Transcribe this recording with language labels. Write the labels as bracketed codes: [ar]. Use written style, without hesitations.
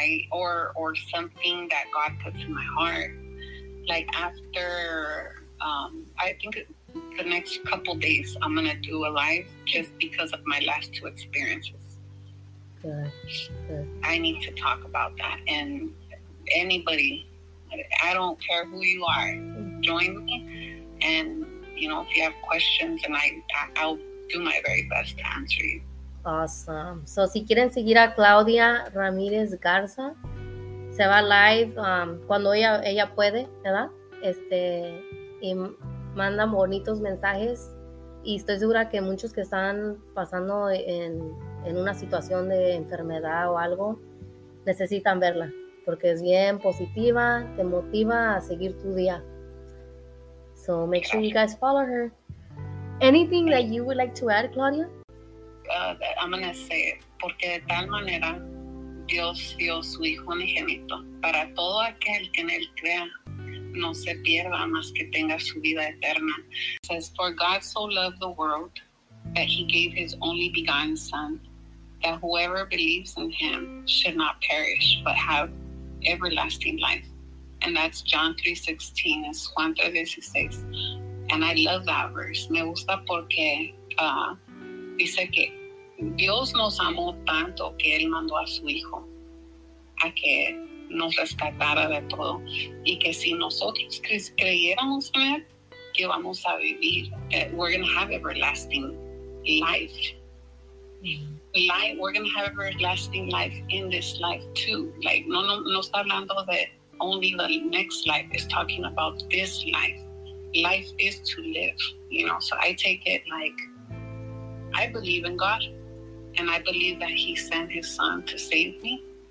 [en] Or something that God puts in my heart. Like after, I think the next couple days I'm going to do a live just because of my last two experiences. Good. I need to talk about that. And anybody, I don't care who you are, join me. And, you know, if you have questions, and I'll do my very best to answer you. Awesome. [es] So si quieren seguir a Claudia Ramírez Garza, se va live cuando ella puede, ¿verdad? Y mandan bonitos mensajes, y estoy segura que muchos que están pasando en una situación de enfermedad o algo, necesitan verla, porque es bien positiva, te motiva a seguir tu día. [en] So make sure you guys follow her. Anything that you would like to add, Claudia? I'm going to say it, [es] porque de tal manera Dios dio su Hijo unigénito para todo aquel que en él crea no se pierda, más que tenga su vida eterna. [en] It says, for God so loved the world that he gave his only begotten Son, that whoever believes in him should not perish but have everlasting life. And that's John 3:16, [es] es Juan 3:16. [en] And I love that verse. [es] Me gusta porque dice que Dios nos amó tanto que Él mandó a su Hijo a que nos rescatara de todo. Y que si nosotros creyéramos en Él, que vamos a vivir. [en] We're going to have everlasting life. We're going to have everlasting life in this life too. Like, [es] no está hablando de [en] only the next life. It's talking about this life. Life is to live, you know. So I take it like, I believe in God, and I believe that he sent his Son to save me.